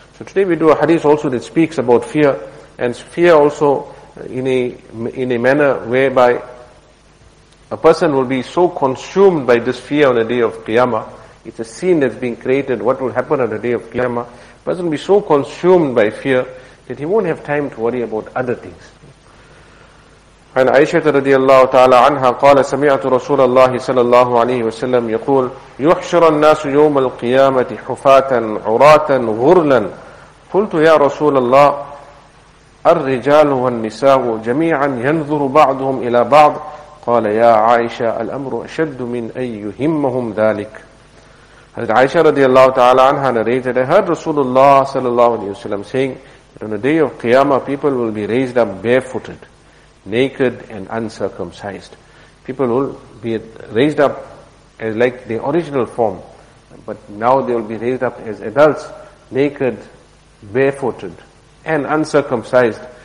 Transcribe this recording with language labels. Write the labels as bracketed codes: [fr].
[en] So today we do a hadith also that speaks about fear, and fear also in a manner whereby a person will be so consumed by this fear on the day of Qiyamah. It's a scene that's being created, what will happen on the day of Qiyamah. A person will be so consumed by fear that he won't have time to worry about other things. [ar] عن عائشة رضي الله تعالى عنها قال سمعت رسول الله صلى الله عليه وسلم يقول يحشر الناس يوم القيامة حفاة عراة غرلا قلت يا رسول الله الرجال والنساء جميعا ينظر بعضهم إلى بعض قال يا عائشة الأمر أشد من أن يهمهم ذلك. [en] حضرت عائشة رضي الله تعالى عنها narrated, I heard رسول الله صلى الله عليه وسلم saying that on the day of Qiyamah people will be raised up barefooted, naked and uncircumcised. People will be raised up as like the original form, but now they will be raised up as adults, naked, barefooted and uncircumcised.